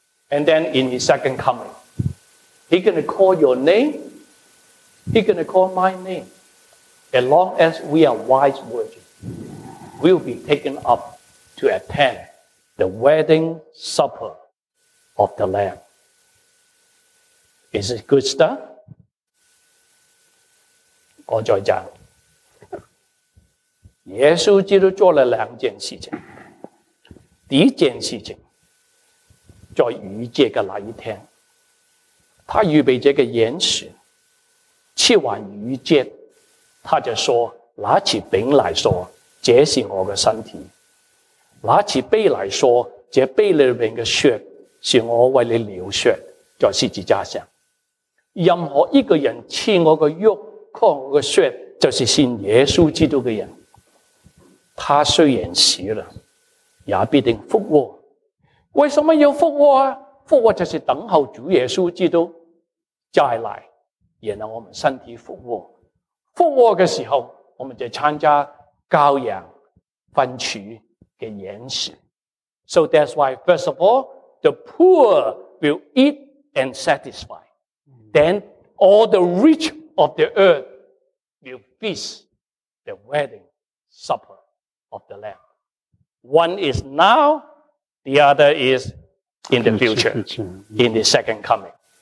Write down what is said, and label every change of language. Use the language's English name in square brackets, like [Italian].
[English] And then in his second coming, he's going to call your name. He's going to call my name. As long as we are wise virgins, we'll be taken up to attend the wedding supper of the Lamb. Is it good stuff? [Chinese] 我再讲，耶稣基督做了两件事情。第一件事情，在逾节的那一天，他预备这个筵席，吃完逾节，他就说：“拿起饼来说，这是我的身体；拿起杯来说，这杯里面的血是我为你流血，在十字架上。任何一个人吃我的肉。” 喝我的血就是信耶稣基督的人，他虽然死了，也必定复活。为什么要复活啊？复活就是等候主耶稣基督再来，然后我们身体复活。复活的时候，我们就参加羔羊分处的筵席。 [English] So that's why, first of all, the poor will eat and satisfy. Then all the rich. Of the earth will feast the wedding supper of the Lamb. One is now, the other is in the future, in the second coming.